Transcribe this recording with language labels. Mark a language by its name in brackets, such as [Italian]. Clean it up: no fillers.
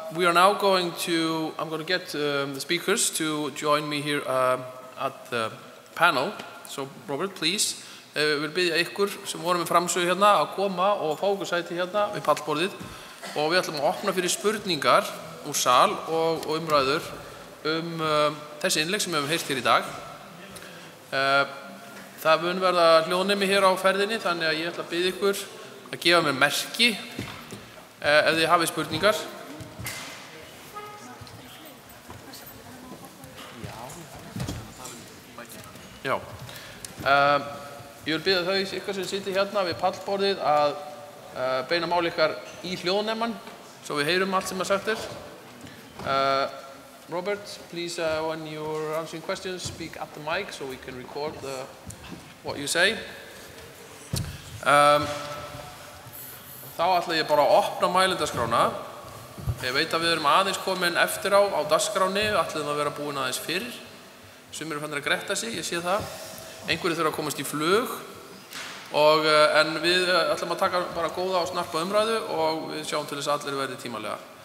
[English] we are now going to, I'm going to get the speakers to join me here at the panel. So Robert, please, [Icelandic] við vil byggja ykkur sem vorum við framsögu hérna að koma og fá okkur sæti hérna við pallborðið og við ætlum að opna fyrir spurningar úr sal og umræður þessi innlegg sem við höfum heyrt hér í dag. Það mun verða hljóðnemi hér á ferðinni þannig að ég ætla að byggja ykkur að gefa mér merki ef þið hafið spurningar. Já. Ég vil byrja þau ykkur sem situr hérna við pallborðið að beina máli ykkar í hljóðnemann svo við heyrum allt sem að sagt er. [English] Robert, please, when you're answering questions, speak at the mic so we can record what you say. [Icelandic] Þá ætla ég bara að opna mælendaskrána. Ég veit að við erum aðeins komin eftir á dagskráni, ætlum að vera búin aðeins fyrr. Sumir eru fannir að gretta sig, ég sé það. Einhverjir þurfa að komast í flug og en við ætlum að taka bara góða og snarpa umræðu og við sjáum til þess að allir verði tímalega.